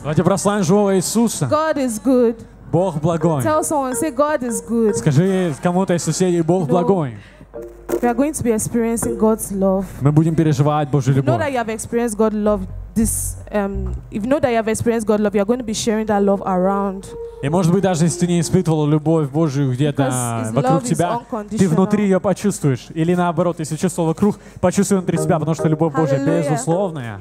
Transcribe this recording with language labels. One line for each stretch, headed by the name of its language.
Russian: Давайте прославим живого Иисуса.
English: God is good.
Russian: Бог благой.
English: Tell someone, say God is good.
Russian: Скажи кому-то из соседей, Бог благой.
English: We are going to be experiencing God's love.
Russian: Мы будем переживать Божью любовь.
English: You know that you have experienced God's love. This, if you know that you have experienced God's love, you are going to be sharing that love around.
Russian: И может быть даже если ты не испытывал любовь Божью где-то вокруг тебя, ты внутри ее почувствуешь. Или наоборот, если чувствовал вокруг, почувствуй внутри себя, потому что любовь Божья безусловная.